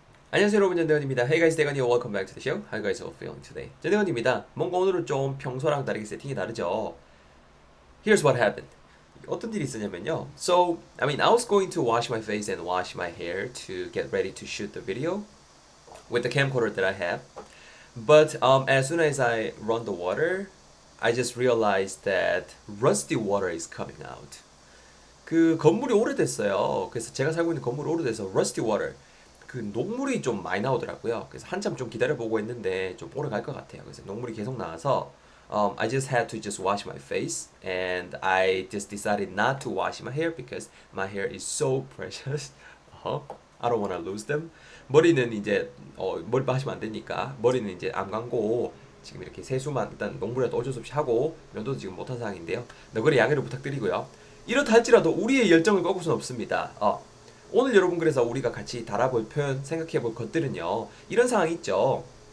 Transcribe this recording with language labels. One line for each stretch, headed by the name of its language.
Korean: 안녕하세요 여러분, 전대건입니다.
English: Hey guys, 대건이 welcome back to the show. How you guys all feeling today?
Korean: 전대건입니다. 뭔가 오늘은 좀 평소랑 다르게 세팅이 다르죠?
English: Here's what happened.
Korean: 어떤 일이 있었냐면요.
English: So, I mean, I was going to wash my face and wash my hair to get ready to shoot the video with the camcorder that I have. But as soon as I run the water, I just realized that rusty water is coming out.
Korean: 그 건물이 오래됐어요. 그래서 제가 살고 있는 건물이 오래돼서 rusty water. 그 녹물이 좀 많이 나오더라고요. 그래서 한참 좀 기다려보고 있는데 좀 오래 갈것 같아요. 그래서 녹물이 계속 나와서
English: I just had to just wash my face and I just decided not to wash my hair because my hair is so precious. I don't wanna lose them.
Korean: 머리는 이제 머리 마시면 안 되니까 머리는 이제 안 감고 지금 이렇게 세수만 일단 녹물에도 어쩔 수 없이 하고 면도도 지금 못한 상황인데요. 너그러 양해를 부탁드리고요. 이렇다 할지라도 우리의 열정을 꺾을 수는 없습니다. 오늘 여러분 그래서 우리가 같이 달아볼 표현 생각해 볼 것들은요. 이런 상황 있죠.